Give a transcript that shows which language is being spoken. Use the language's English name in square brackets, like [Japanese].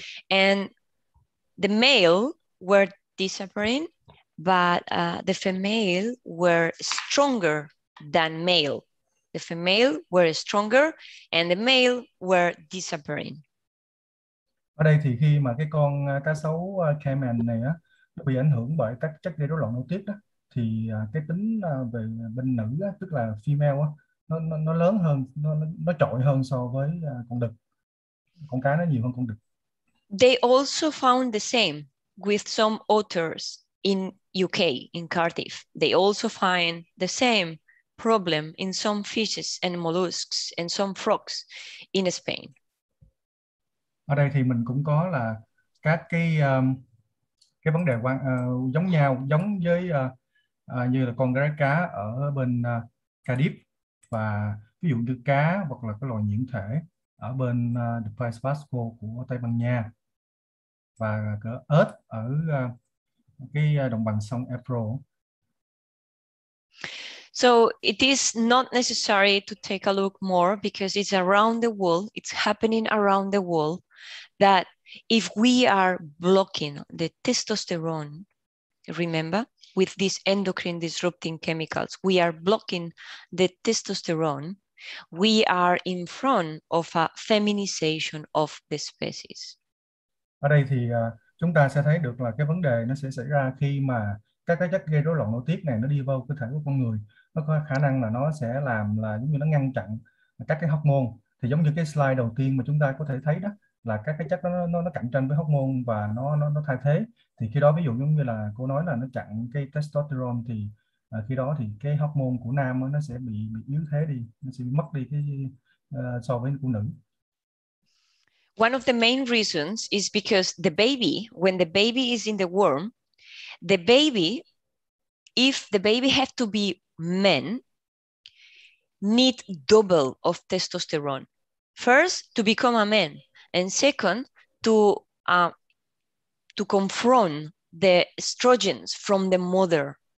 [English] And the male were disappearing, but the female were stronger than male. The female were stronger and the male were disappearing. [Vietnamese] Ở đây thì khi mà cái con cá sấu caiman này á bị ảnh hưởng bởi các chất gây rối loạn nội tiết đó, thì cái tính về bên nữ á, tức là female á, nó lớn hơn, nó trội hơn so với con đực. Con cá nó nhiều hơn con đực. [English] They also found the same. with some authors in UK, in Cardiff. They also find the same problem in some fishes and mollusks and some frogs in Spain. [Vietnamese] Ở đây thì mình cũng có là các cái vấn đề quan, giống nhau, giống với như là con rái cá ở bên Cardiff, và ví dụ như cá hoặc là cái loài nhuyễn thể ở bên the País Vasco của Tây Ban Nha, và cái ớt ở cái đồng bằng sông Ebro. [English] So it is not necessary to take a look more because it's around the world, it's happening around the world, that if we are blocking the testosterone, remember, with these endocrine disrupting chemicals, we are blocking the testosterone, we are in front of a feminization of the species. [Vietnamese] Ở đây thì chúng ta sẽ thấy được là cái vấn đề nó sẽ xảy ra khi mà các cái chất gây rối loạn nội tiết này nó đi vào cơ thể của con người, nó có khả năng là nó sẽ làm là giống như nó ngăn chặn các cái hormone. Thì giống như cái slide đầu tiên mà chúng ta có thể thấy đó, là các cái chất nó cạnh tranh với hormone và nó thay thế. Thì khi đó ví dụ giống như là cô nói là nó chặn cái testosterone, thì khi đó thì cái hormone của nam nó sẽ bị yếu thế đi, nó sẽ mất đi cái so với của nữ. [English] One of the main reasons is because the baby, when the baby is in the womb, the baby, if the baby have to be men, need double of testosterone. First, to become a man. And second, to confront the estrogens from the mother.